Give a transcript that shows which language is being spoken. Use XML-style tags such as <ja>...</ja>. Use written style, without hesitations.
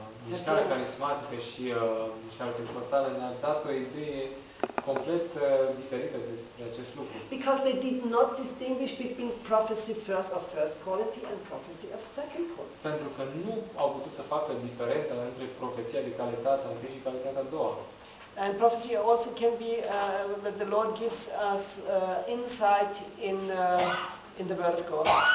<ro>Mișcarea carismatică și mișcarea pentecostală ne-a dat o idee complet diferită despre acest lucru.</ro> <en>Because they did not distinguish between prophecy first of first quality and prophecy of second quality.</en> <ro>Pentru că nu au putut să facă diferența între profeția de calitate a întâi și calitatea a doua.</ro> <en>And prophecy also can be that the Lord gives us insight in the Word of God.</en>